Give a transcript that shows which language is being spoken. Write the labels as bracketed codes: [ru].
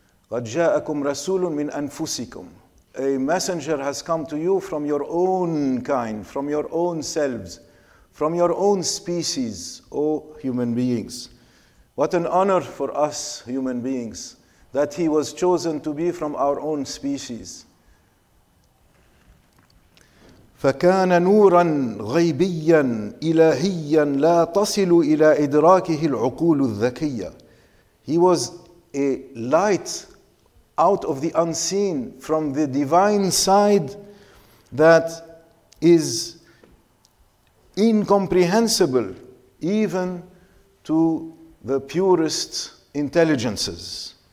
[ar] قد جاءكم رسول من أنفسكم, [en] a messenger has come to you from your own kind, from your own selves, from your own species, O human beings. What an honor for us human beings that he was chosen to be from our own species. [ar] فكان نورا غيبيا إلهيا لا تصل إلى إدراكه العقول الذكية. [en] He was a light out of the unseen, from the divine side, that is incomprehensible even to the purest intelligences.